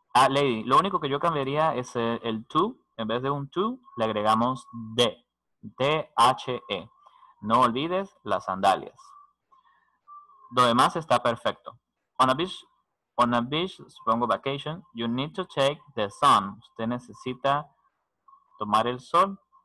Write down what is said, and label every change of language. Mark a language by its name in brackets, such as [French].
[Spanish] Lady, lo único que yo cambiaría es el to, en vez de un to, le agregamos de, T-H-E. No olvides las sandalias. Lo demás está perfecto. [English] On a beach, supongo vacation, you need to take the sun. [Spanish] Usted necesita tomar el sol.